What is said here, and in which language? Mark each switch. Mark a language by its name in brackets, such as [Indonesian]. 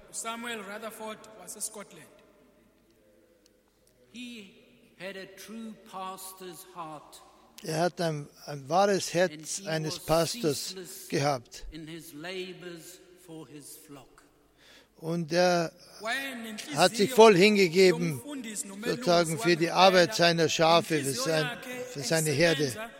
[English] Samuel Rutherford was a Scotland. He had a true pastor's heart. [German] Er hat ein wahres Herz eines Pastors gehabt. [English] In his labors for his flock. [German] Und er hat sich voll hingegeben, sozusagen für die Arbeit seiner Schafe, für seine Herde.